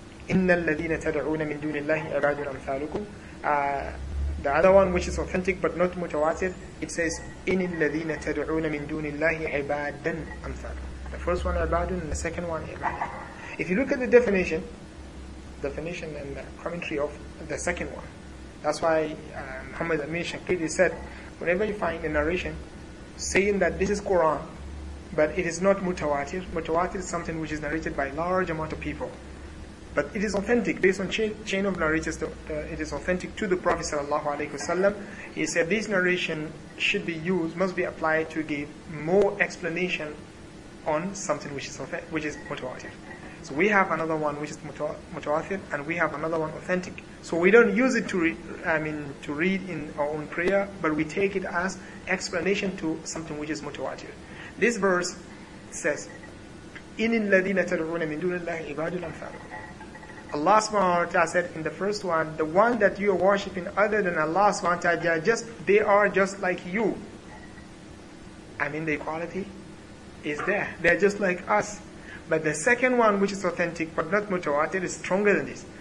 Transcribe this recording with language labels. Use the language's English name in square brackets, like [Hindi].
[Arabic] إن الذين تدعون من دون الله عباد أمثالكم. [English] The other one, which is authentic but not متواتر, it says [Arabic] إن الذين تدعون من دون الله عبادا أمثالكم. [English] The first one عباد, and the second one عباد. If you look at the definition and the commentary of the second one, that's why Muhammad Amin Shaqiri said, whenever you find a narration saying that this is Quran, but it is not متواتر. متواتر is something which is narrated by a large amount of people. But it is authentic, based on chain of narrators, it is authentic to the Prophet sallallahu alaihi wasallam. He said this narration should be used, must be applied to give more explanation on something which is mutawatir. So we have another one which is mutawatir, and we have another one authentic. So we don't use it to read in our own prayer, but we take it as explanation to something which is mutawatir. This verse says, [Arabic] إِنِ الَّذِينَ تَدْعُونَ مِنْ دُونِ اللَّهِ عِبَادٌ أَمْثَالُكُمْ. [English] Allah subhanahu wa ta'ala said in the first one, the one that you are worshipping other than Allah subhanahu wa ta'ala, they are just like you. The equality is there. They're just like us. But the second one, which is authentic but not mutawatir, is stronger than this.